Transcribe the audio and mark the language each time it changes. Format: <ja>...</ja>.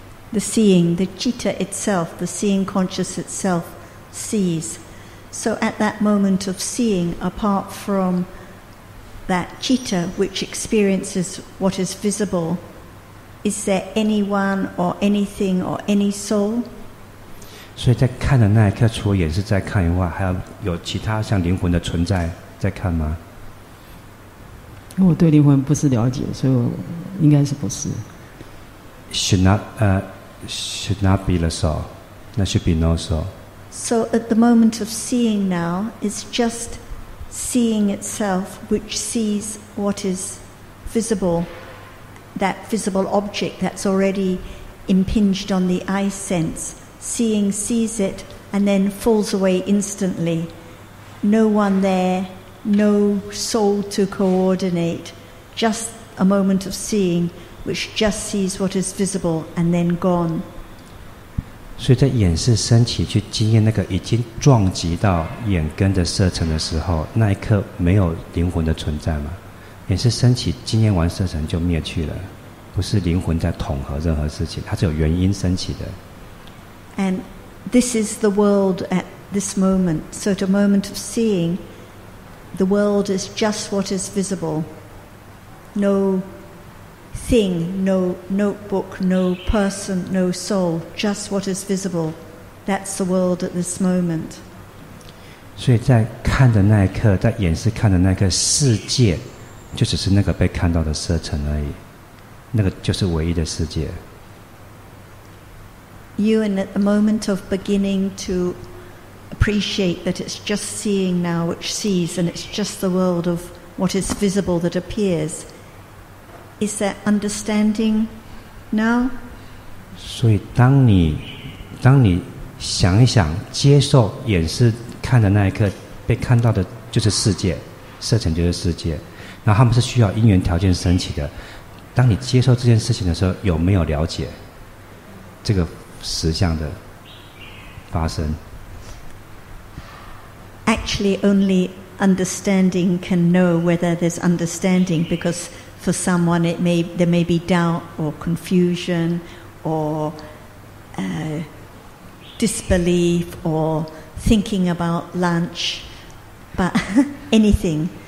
<en>The seeing, the citta itself, the seeing conscious itself sees. So at that moment of seeing, apart from that citta which experiences what is visible, is there anyone or anything or any soul?</en> <zh>所以在看的那一刻，除了眼是在看以外，还要有其他像灵魂的存在在看吗？因为我对灵魂不是了解，所以我应该是不是。</zh> <en>Should not be the soul. That should be no soul. So at the moment of seeing now, it's just seeing itself, which sees what is visible, that visible object that's already impinged on the eye sense. Seeing sees it and then falls away instantly. No one there. No soul to coordinate, just a moment of seeing, which just sees what is visible and then gone.</en> <zh>所以在眼识升起去经验那个已经撞击到眼根的色尘的时候，那一刻没有灵魂的存在吗？眼识升起经验完色尘就灭去了，不是灵魂在统合任何事情，它是有原因升起的。</zh> <en>And this is the world at this moment. So at a moment of seeing. The world is just what is visible. No thing, no notebook, no person, no soul. Just what is visible. That's the world at this moment.</en> <zh>所以在看的那一刻，在眼识看的那一刻，世界就只是那个被看到的色尘而已。那个就是唯一的世界。</zh> <en>You and at the moment of beginning to. Appreciate that it's just seeing now which sees, and it's just the world of what is visible that appears. Is that understanding now?</en> <zh>So, 当你想一想，接受眼识看的那一刻，被看到的就是世界，色尘就是世界。那他们是需要因缘条件升起的。当你接受这件事情的时候，有没有了解这个实相的发生？</zh> <en>Actually, only understanding can know whether there's understanding, because for someone it may, there may be doubt or confusion or disbelief or thinking about lunch, but anything.</en>